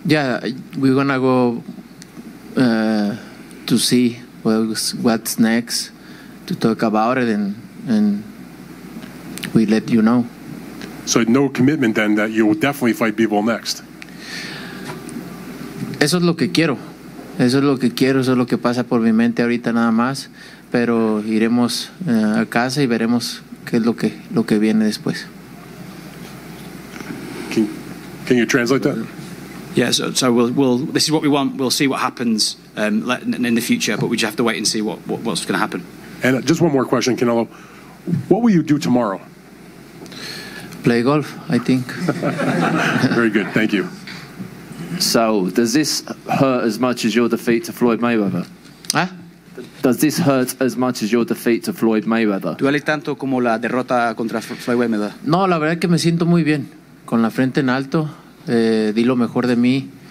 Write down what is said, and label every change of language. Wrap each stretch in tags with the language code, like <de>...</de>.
<en>Yeah, we're going to go to see what's next, to talk about it, and we let you know. So no commitment then that you will definitely fight Bivol next?</en> <es>Eso es lo que quiero. Eso es lo que quiero, eso es lo que pasa por mi mente ahorita nada más. Pero iremos a casa y veremos qué es lo que viene después.</es> <en>Can you translate that? Yeah, so we'll. This is what we want. We'll see what happens in the future, but we just have to wait and see what's going to happen. And just one more question, Canelo. What will you do tomorrow? Play golf, I think. Very good. Thank you. So, does this hurt as much as your defeat to Floyd Mayweather? Huh? Does this hurt as much as your defeat to Floyd Mayweather?</en> <es>Duele tanto como la derrota contra Floyd Mayweather. No, la verdad es que me siento muy bien. Con la frente en alto, di lo mejor de mí.</es>